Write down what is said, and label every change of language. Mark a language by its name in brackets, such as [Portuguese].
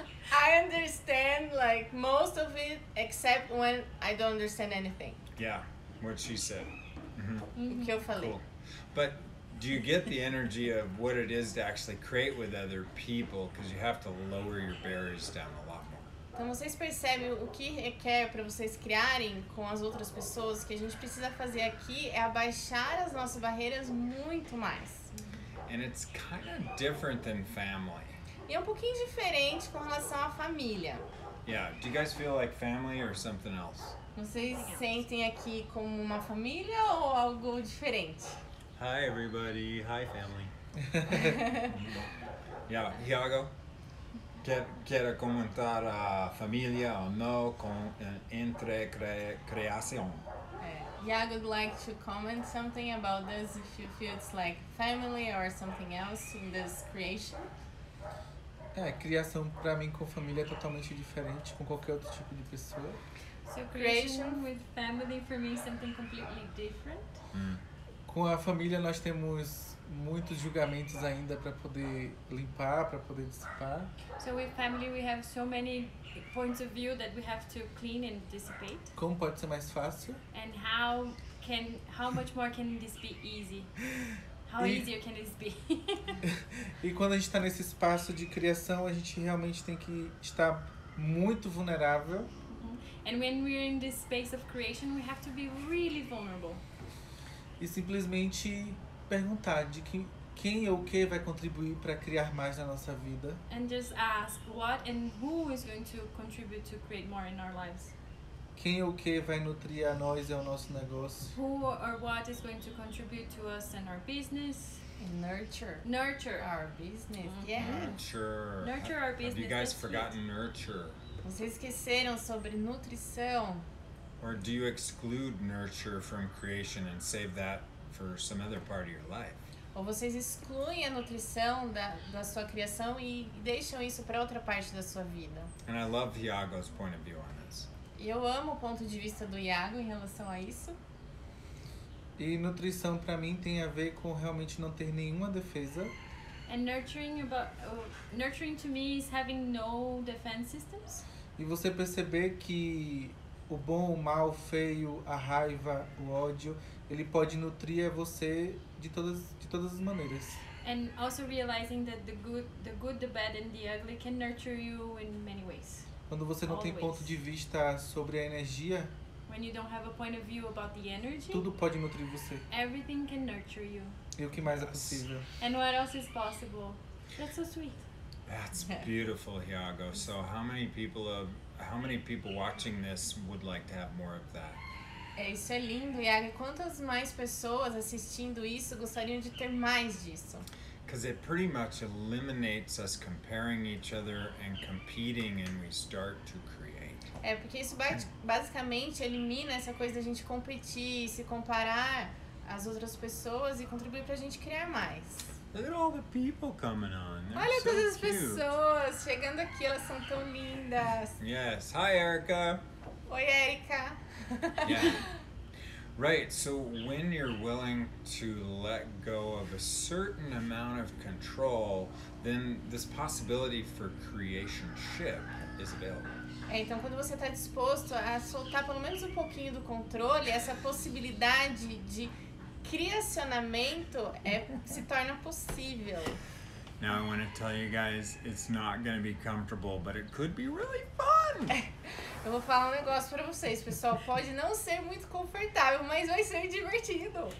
[English] I understand like most of it, except when I don't understand anything. Yeah, what she said. [Portuguese] Mm-hmm. O que eu falei. [English] Cool. But do you get the energy of what it is to actually create with other people? Because you have to lower your barriers down a lot more. [Portuguese] Então vocês percebem o que requer para vocês criarem com as outras pessoas que a gente precisa fazer aqui é abaixar as nossas barreiras muito mais. [English] And it's kind of different than family. [Portuguese] E é um pouquinho diferente com relação à família. [English] Yeah, do you guys feel like family or something else? [Portuguese] Vocês sentem aqui como uma família ou algo diferente? [English] Hi everybody, hi family. [Portuguese] Yeah, Iago, quer comentar a família ou não com entre criação? [English] Iago would like to comment something about this, if you feel it's like family or something else in this creation. [Portuguese] É, criação para mim com família é totalmente diferente com qualquer outro tipo de pessoa. [English] So creation with family for me is something completely different. [Portuguese] Com a família nós temos muitos julgamentos ainda para poder limpar, para poder dissipar. [English] So with family we have so many points of view that we have to clean and dissipate. [Portuguese] Como pode ser mais fácil? [English] And how much more can this be easy? How easy can this be? [Portuguese] E quando a gente está nesse espaço de criação, a gente realmente tem que estar muito vulnerável. [English] And when we're in this space of creation, we have to be really vulnerable. [Portuguese] E simplesmente perguntar de quem ou o que vai contribuir para criar mais na nossa vida. [English] And just ask what and who is going to contribute to create more in our lives. [Portuguese] Quem ou o que vai nutrir a nós e o nosso negócio. [English] Who or what is going to contribute to us and our business. Nurture our business. Mm-hmm. Yeah. Nurture. Nurture our business. Have you guys That's forgotten cute. Nurture? [Portuguese] Vocês esqueceram sobre nutrição? [English] Or do you exclude nurture from creation and save that for some other part of your life? [Portuguese] Ou vocês excluem a nutrição da sua criação e deixam isso para outra parte da sua vida? [English] And I love Iago's point of view on this. [Portuguese] E eu amo o ponto de vista do Iago em relação a isso. E nutrição para mim tem a ver com realmente não ter nenhuma defesa. [English] And nurturing to me is having no defense systems. [Portuguese] E você perceber que o bom, o mal, o feio, a raiva, o ódio, ele pode nutrir você de todas as maneiras. [English] And also realizing that the good, the bad and the ugly can nurture you in many ways. [Portuguese] Quando você não [English] Always. [Portuguese] Tem ponto de vista sobre a energia, [English] when you don't have a point of view about the energy, [Portuguese] tudo pode nutrir você. [English] Everything can nurture you. [Portuguese] E o que mais é possível? [English] And what else is possible? That's so sweet. That's beautiful, Iago. So how many people watching this would like to have more of that? [Portuguese] Isso é lindo, Iago. Quantas mais pessoas assistindo isso gostariam de ter mais disso? [English] Because it pretty much eliminates us comparing each other and competing, and we start to create. [Portuguese] É porque isso basicamente elimina essa coisa da gente competir, se comparar as outras pessoas e contribuir para a gente criar mais. [English] Look at all the people coming on. They're [Portuguese] Olha [English] so [Portuguese] todas as [English] cute. [Portuguese] Pessoas chegando aqui, elas são tão lindas. [English] Yes, hi Erica. [Portuguese] Oi Erica. [English] Yeah. Right, so when you're willing to let go of a certain amount of control, then this possibility for creation shift is available. [Portuguese] Então quando você está disposto a soltar pelo menos um pouquinho do controle, essa possibilidade de criacionamento se torna possível. [English] Now I want to tell you guys, it's not going to be comfortable, but it could be really fun. [Portuguese] Eu vou falar um negócio para vocês, pessoal. Pode não ser muito confortável, mas vai ser divertido.